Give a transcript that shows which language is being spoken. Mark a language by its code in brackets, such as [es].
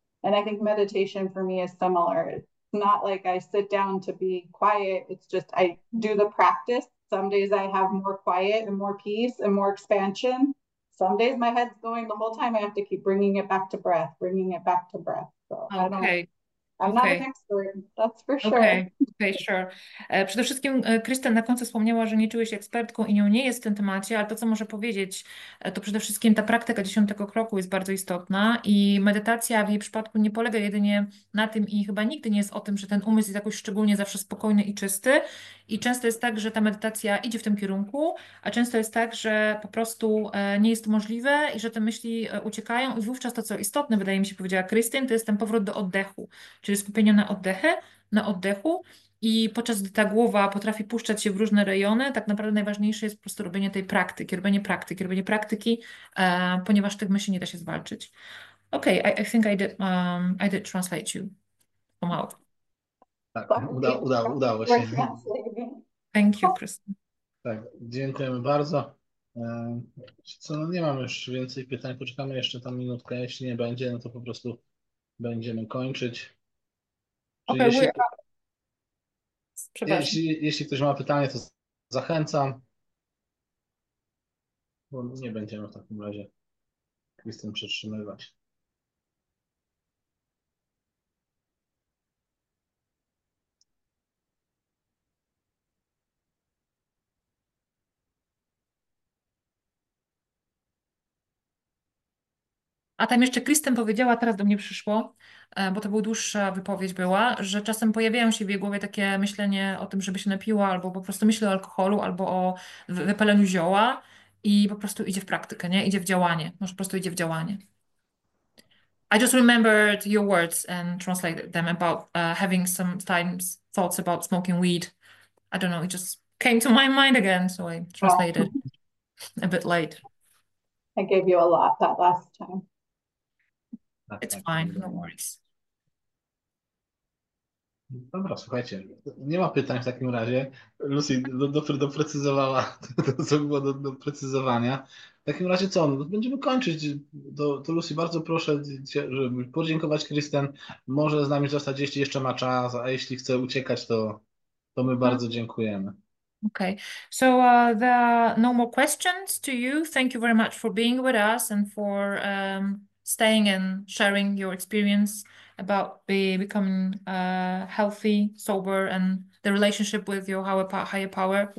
[en] And I think meditation for me is similar. Not like I sit down to be quiet. It's just I do the practice. Some days I have more quiet and more peace and more expansion. Some days my head's going the whole time. I have to keep bringing it back to breath, bringing it back to breath. So Okay, I'm not an okay, expert, that's for sure. okay, okay, sure. [pl] Przede wszystkim Krystyna na końcu wspomniała, że nie czujesz się ekspertką i nią nie jest w tym temacie, ale to, co może powiedzieć, to przede wszystkim ta praktyka 10. kroku jest bardzo istotna i medytacja w jej przypadku nie polega jedynie na tym i chyba nigdy nie jest o tym, że ten umysł jest jakoś szczególnie zawsze spokojny i czysty. I często jest tak, że ta medytacja idzie w tym kierunku, a często jest tak, że po prostu nie jest to możliwe i że te myśli uciekają. I wówczas to, co istotne, wydaje mi się, powiedziała Krystyna, to jest ten powrót do oddechu, czyli skupienie na oddechu. I podczas gdy ta głowa potrafi puszczać się w różne rejony, tak naprawdę najważniejsze jest po prostu robienie tej praktyki, robienie praktyki, robienie praktyki, ponieważ tych myśli nie da się zwalczyć. [en] Okay, I think I did translate you pomału. [pl] Tak, udało [en] We're [pl] się. [en] translating. Thank you, Krystyna. [pl] Tak, dziękujemy bardzo. Co, no nie mam już więcej pytań, poczekamy jeszcze tam minutkę. Jeśli nie będzie, no to po prostu będziemy kończyć. Czyli [en] Okay, we are. [pl] Przepraszam. jeśli ktoś ma pytanie, to zachęcam. Bo nie będziemy w takim razie Krystyn przetrzymywać. A tam jeszcze Kristen powiedziała, teraz do mnie przyszło, bo to była dłuższa wypowiedź była, że czasem pojawiają się w jej głowie takie myślenie o tym, żeby się napiła, albo po prostu myśli o alkoholu, albo o wypaleniu zioła i po prostu idzie w praktykę, nie? Idzie w działanie. Może po prostu idzie w działanie. [en] I just remembered your words and translated them about having sometimes thoughts about smoking weed. I don't know, it just came to my mind again, so I translated a bit late. I gave you a lot that last time. It's [pl] Tak, [en] fine, no worries. [pl] dobra, słuchajcie, nie ma pytań w takim razie. Lucy doprecyzowała to, co było do precyzowania. W takim razie co? No, będziemy kończyć. To Lucy, bardzo proszę, żeby podziękować Kristen. Może z nami zostać, jeśli jeszcze ma czas, a jeśli chce uciekać, to my bardzo dziękujemy. [en] Okay, so there are no more questions to you. Thank you very much for being with us and for staying and sharing your experience about becoming healthy, sober, and the relationship with your higher power.